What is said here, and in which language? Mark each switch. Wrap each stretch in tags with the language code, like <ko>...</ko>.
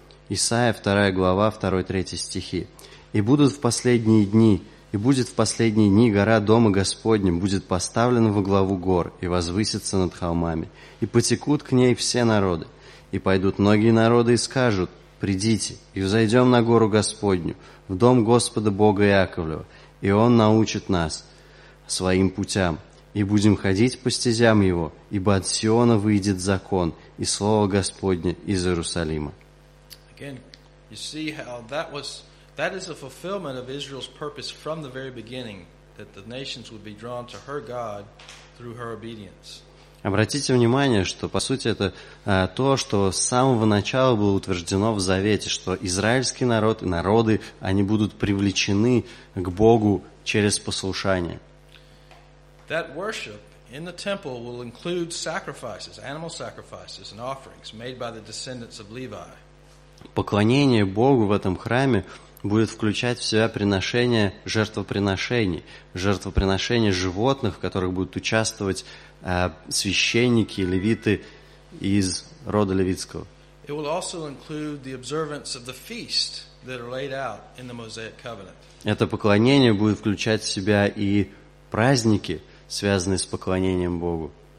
<ru>Исаия 2 глава, 2-3 стихи. «И будут в последние дни, и будет в последние дни гора Дома Господня будет поставлена во главу гор и возвысится над холмами, и потекут к ней все народы, и пойдут многие народы и скажут, придите, и взойдем на гору Господню, в дом Господа Бога Иаковлева, и Он научит нас своим путям, и будем ходить по стезям Его, ибо от Сиона выйдет закон». И Слово Господне из Иерусалима.</ru> <en>Again, you see how that is a fulfillment of Israel's purpose from the very beginning, that the nations would be drawn to her God through her obedience.</en> <ru>Обратите внимание, что по сути это то, что с самого начала было утверждено в Завете, что израильский народ и народы, они будут привлечены к Богу через послушание.</ru> <en>That worship in the temple will include sacrifices, animal sacrifices and offerings made by the descendants of Levi.</en> <ru>Поклонение Богу в этом храме будет включать в себя приношения, жертвоприношений, жертвоприношения животных, в которых будут участвовать священники, левиты из рода левитского.</ru> <en>It will also include the observance of the feast that are laid out in the Mosaic covenant.</en> <ru>Это поклонение будет включать в себя и праздники, связанные с поклонением Богу.</ru>